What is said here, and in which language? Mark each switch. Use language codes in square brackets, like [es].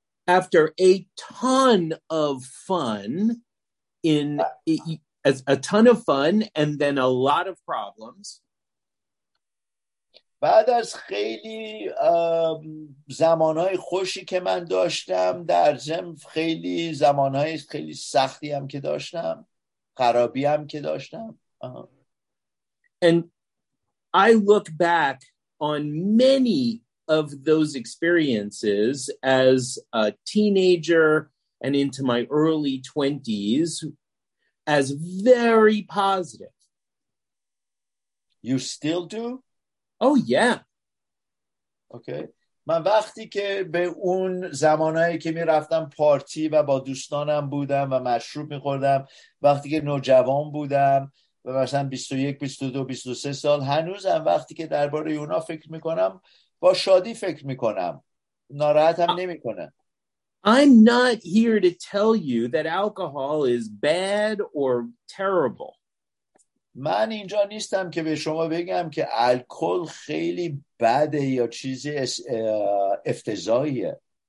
[en] after a ton of fun in as a ton of fun and then a lot of problems, [fa] بعد از خیلی زمانهای خوشی که من داشتم، در ضمن خیلی زمانهای خیلی سختی هم که داشتم، خرابی هم که داشتم. [en] And I look back on many of those experiences as a teenager and into my early 20s as very positive. You still do? Oh, yeah. Okay. [fa] من وقتی که به اون زمانهایی که می رفتم پارتی و با دوستانم بودم و مشروب می خوردم وقتی که نوجوان بودم و مثلا 21, 22, 23 سال هنوزم وقتی که درباره اونا فکر می کنم با شادی فکر می کنم ناراحتم نمی کنم [en] I'm not here to tell you that alcohol is bad or terrible [fa] من اینجا نیستم که به شما بگم که الکل خیلی بده یا چیزی افتضاحیه.